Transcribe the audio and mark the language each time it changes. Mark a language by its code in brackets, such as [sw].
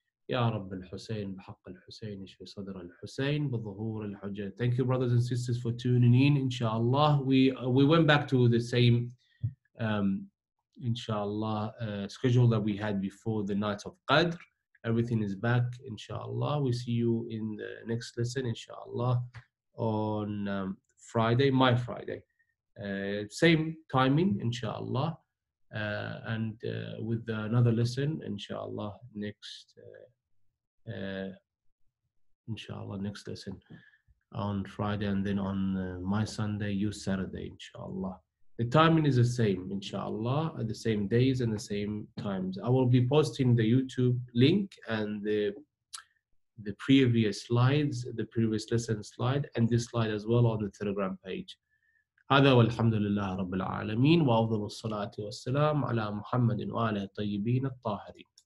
[ar] يا رب الحسين بحق الحسين يشفي صدر الحسين بظهور الحجة. [en] Thank you brothers and sisters for tuning in. Inshallah, we went back to the same inshallah schedule that we had before the night of Qadr. Everything is back. Inshallah, we see you in the next lesson. Inshallah, on Friday, my Friday, same timing. Inshallah, and with another lesson. Inshallah, next. Inshallah, next lesson on Friday, and then on my Sunday, you Saturday, inshallah. The timing is the same, inshallah, at the same days and the same times. I will be posting the YouTube link and the previous slides, the previous lesson slide, and this slide as well on the Telegram page. [ar] هذا والحمد لله رب العالمين وأفضل الصلاة والسلام على محمد وآله الطيبين الطاهرين.